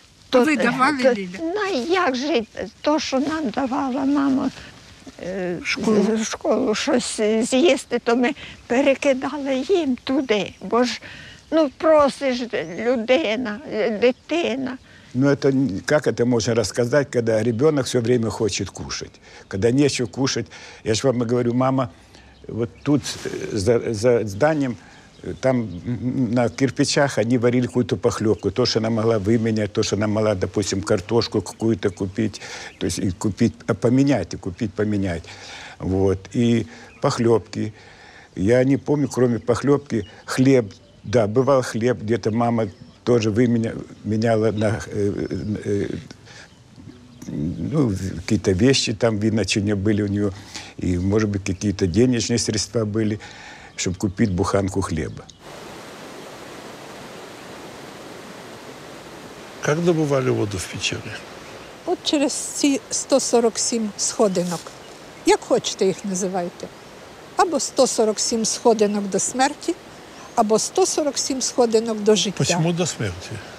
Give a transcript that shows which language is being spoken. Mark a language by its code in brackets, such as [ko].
[uk] То ви давали, Ліля? Ну, як же, то, що нам давала мама школу щось з'їсти, то ми перекидали їм туди. Бо ж, ну, просиш людина, дитина. [ru] Ну, это как это можно рассказать, когда ребенок все время хочет кушать, когда нечего кушать. Я же вам говорю, мама, вот тут за зданием, там на кирпичах они варили какую-то похлебку, то, что она могла выменять, то, что она могла, допустим, картошку какую-то купить, то есть и купить, поменять. Вот. И похлебки. Я не помню, кроме похлебки, хлеб, да, бывал хлеб, где-то мама тоже меняла на ну, какие-то вещи, там видно, что у нее были у нее, и, может быть, какие-то денежные средства были, [uk] щоб купити буханку хліба. Як добували воду в печері? От через ці 147 сходинок. Як хочете їх називайте. Або 147 сходинок до смерті, або 147 сходинок до життя. Чому до смерті?